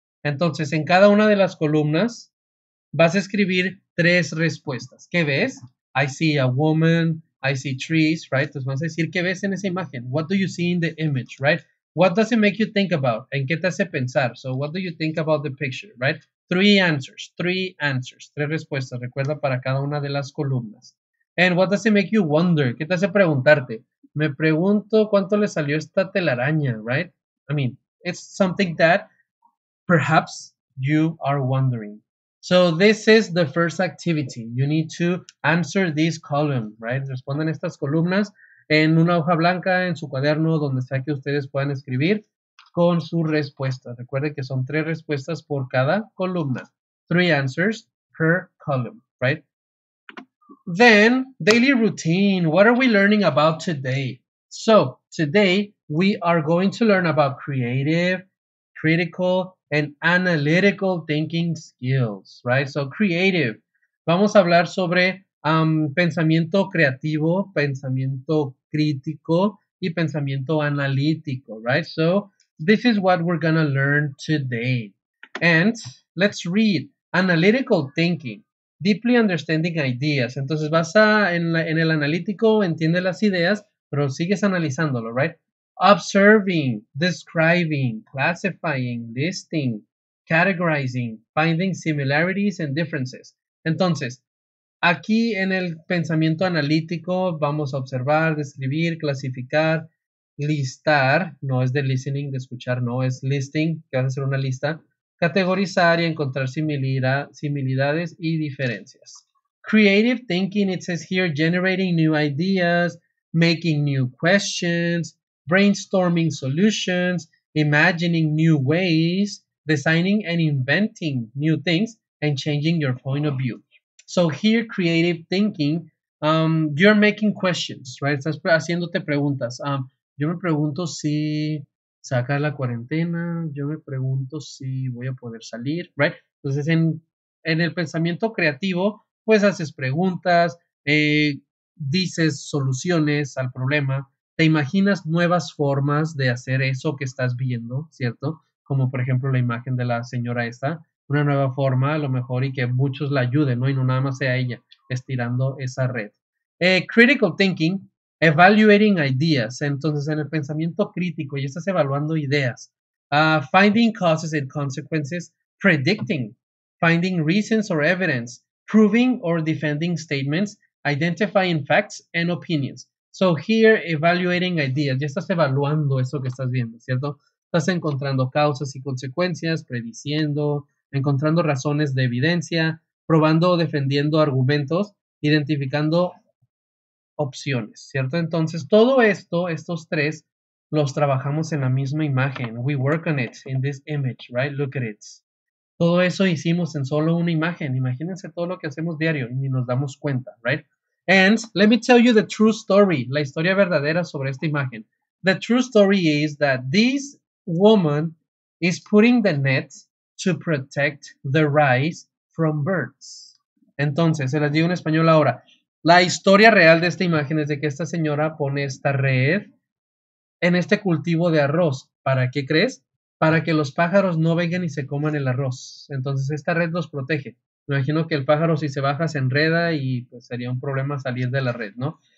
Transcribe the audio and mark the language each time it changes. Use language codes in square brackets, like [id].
[es] Entonces, en cada una de las columnas, vas a escribir tres respuestas. ¿Qué ves? [en] I see a woman. I see trees, right? [es] Entonces vamos a decir, ¿qué ves en esa imagen? [en] What do you see in the image, right? What does it make you think about? [es] ¿En qué te hace pensar? [en] So what do you think about the picture, right? Three answers. [es] Tres respuestas, recuerda, para cada una de las columnas. [en] And what does it make you wonder? [es] ¿Qué te hace preguntarte? Me pregunto cuánto le salió esta telaraña, right? [en] I mean, it's something that perhaps you are wondering. So this is the first activity. You need to answer this column, right? [es] Respondan estas columnas en una hoja blanca, en su cuaderno, donde sea que ustedes puedan escribir con su respuesta. Recuerden que son tres respuestas por cada columna. [en] Three answers per column, right? Then, daily routine. What are we learning about today? So today, we are going to learn about creative, critical, and analytical thinking skills, right? So creative. [es] Vamos a hablar sobre pensamiento creativo, pensamiento crítico, y pensamiento analítico, right? [en] So this is what we're gonna learn today. And let's read analytical thinking, deeply understanding ideas. [es] Entonces vas a en el analítico, entiende las ideas, pero sigues analizándolo, right? [en] Observing, describing, classifying, listing, categorizing, finding similarities and differences. [es] Entonces, aquí en el pensamiento analítico vamos a observar, describir, clasificar, listar. No es de listening, de escuchar, no, es listing, que va a ser una lista. Categorizar y encontrar similaridades y diferencias. [en] Creative thinking, it says here, generating new ideas, making new questions, brainstorming solutions, imagining new ways, designing and inventing new things, and changing your point of view. So here, creative thinking, you're making questions, right? [es] Estás haciéndote preguntas. Yo me pregunto si se va a acabar la cuarentena. Yo me pregunto si voy a poder salir, right? Entonces, en el pensamiento creativo, pues haces preguntas, dices soluciones al problema. Te imaginas nuevas formas de hacer eso que estás viendo, ¿cierto? Como, por ejemplo, la imagen de la señora esta. Una nueva forma, a lo mejor, y que muchos la ayuden, ¿no? Y no nada más sea ella estirando esa red. [en] Critical thinking, evaluating ideas. [es] Entonces, en el pensamiento crítico, ya estás evaluando ideas. Finding causes and consequences, predicting, finding reasons or evidence, proving or defending statements, identifying facts and opinions. [en] So here, evaluating ideas. [es] Ya estás evaluando eso que estás viendo, ¿cierto? Estás encontrando causas y consecuencias, prediciendo, encontrando razones de evidencia, probando o defendiendo argumentos, identificando opciones, ¿cierto? Entonces, todo esto, estos tres, los trabajamos en la misma imagen. [en] We work on it in this image, right? Look at it. [es] Todo eso hicimos en solo una imagen. Imagínense todo lo que hacemos diario y nos damos cuenta, right? [en] And let me tell you the true story, [es] la historia verdadera sobre esta imagen. [en] The true story is that this woman is putting the net to protect the rice from birds. [es] Entonces, se las digo en español ahora. La historia real de esta imagen es de que esta señora pone esta red en este cultivo de arroz. ¿Para qué crees? Para que los pájaros no vengan y se coman el arroz. Entonces, esta red los protege. Me imagino que el pájaro si se baja se enreda y pues sería un problema salir de la red, ¿no?